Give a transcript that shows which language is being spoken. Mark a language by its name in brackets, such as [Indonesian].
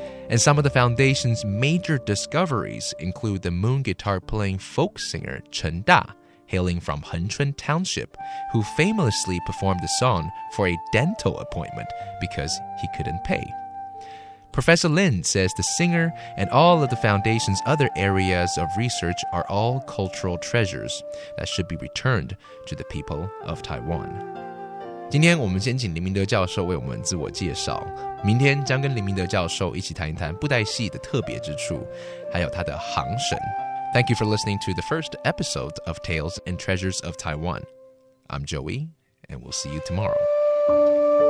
[English] And some of the foundation's major discoveries include the moon guitar-playing folk singer Chen Da, hailing from Hengchun Township, who famously performed the song for a dental appointment because he couldn't pay. Professor Lin says the singer and all of the foundation's other areas of research are all cultural treasures that should be returned to the people of Taiwan. [Chinese] 今天我们先请林明德教授为我们自我介绍，明天将跟林明德教授一起谈一谈布袋戏的特别之处，还有它的行神。 [English] Thank you for listening to the first episode of Tales and Treasures of Taiwan. I'm Joey, and we'll see you tomorrow.